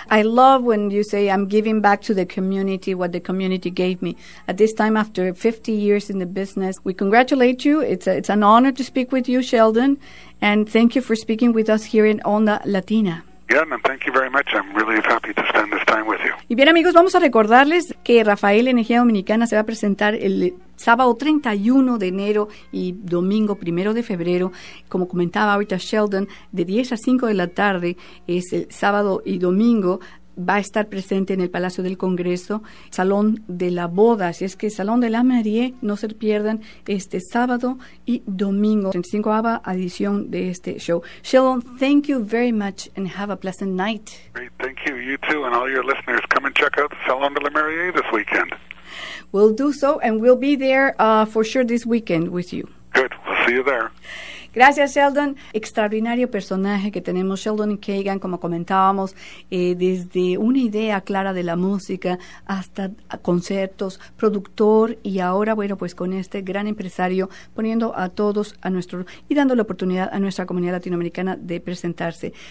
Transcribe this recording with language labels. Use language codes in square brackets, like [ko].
[en] I love when you say I'm giving back to the community what the community gave me. At this time, after 50 years in the business, we congratulate you. It's an honor to speak with you, Sheldon, and thank you for speaking with us here in Onda Latina. Yeah, and thank you very much. I'm really happy to spend this time with you. [es] Y bien, amigos, vamos a recordarles que Rafael Energía Dominicana se va a presentar el sábado 31 de enero y domingo 1 de febrero. Como comentaba ahorita Sheldon, de 10 a 5 de la tarde es el sábado y domingo. Va a estar presente en el Palacio del Congreso, Salón de la Boda. Así es que Salón de la Marie, no se pierdan este sábado y domingo, 35ª edición de este show. [en] Sheldon, thank you very much and have a pleasant night. Great, thank you. You too and all your listeners. Come and check out the Salón de la Marie this weekend. We'll do so and we'll be there for sure this weekend with you. Good, we'll see you there. [es] Gracias, Sheldon. Extraordinario personaje que tenemos, Sheldon Kagan, como comentábamos, desde una idea clara de la música hasta conciertos, productor y ahora, bueno, pues con este gran empresario poniendo a todos a nuestro y dando la oportunidad a nuestra comunidad latinoamericana de presentarse.